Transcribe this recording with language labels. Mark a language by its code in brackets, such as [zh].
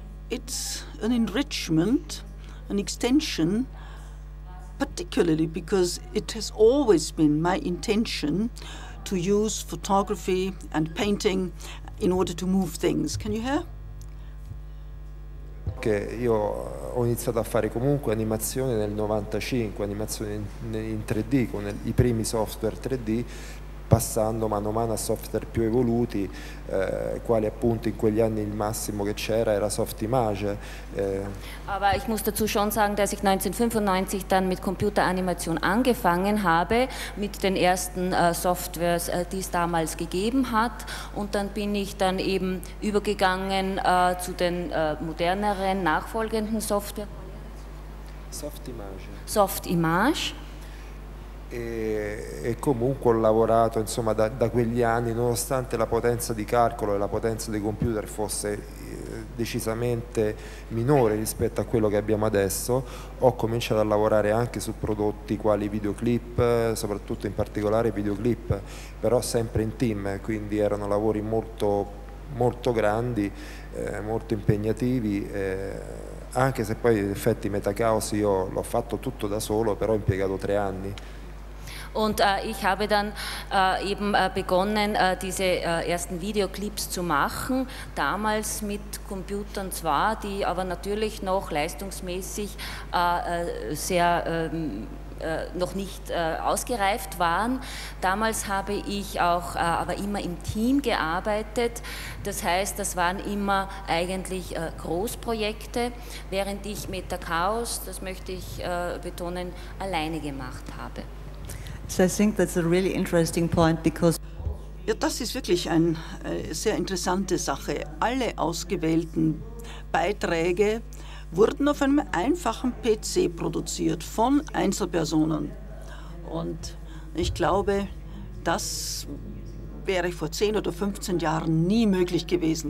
[en] It's an enrichment. An extension, particularly because it has always been my intention to use photography and painting in order to move things. Can you hear? [it] Che io ho iniziato a fare comunque animazione nel 95, animazione in 3D, con i primi software 3D, passando mano a mano a software più evoluti, quali appunto in quegli anni il massimo che c'era era Softimage. [de] Aber ich muss dazu schon sagen, dass ich 1995 dann mit Computeranimation angefangen habe, mit den ersten Softwares, die es damals gegeben hat. Und dann bin ich dann eben übergegangen zu den moderneren, nachfolgenden Software. Softimage. Softimage. [it] E comunque ho lavorato insomma da quegli anni, nonostante la potenza di calcolo e la potenza dei computer fosse decisamente minore rispetto a quello che abbiamo adesso, ho cominciato a lavorare anche su prodotti quali videoclip, soprattutto in particolare videoclip, però sempre in team, quindi erano lavori molto, molto grandi, molto impegnativi. Anche se poi in effetti Metachaos io l'ho fatto tutto da solo, però ho impiegato 3 anni. [de] Und ich habe dann eben begonnen, diese ersten Videoclips zu machen, damals mit Computern zwar, die aber natürlich noch leistungsmäßig sehr noch nicht ausgereift waren. Damals habe ich auch aber immer im Team gearbeitet. Das heißt, das waren immer eigentlich Großprojekte, während ich Metachaos, das möchte ich betonen, alleine gemacht habe. [en] So I think that's a really interesting point because [de] ja, das ist wirklich eine sehr interessante Sache. Alle ausgewählten Beiträge wurden auf einem einfachen PC produziert von Einzelpersonen. Und ich glaube, das wäre vor 10 oder 15 Jahren nie möglich gewesen.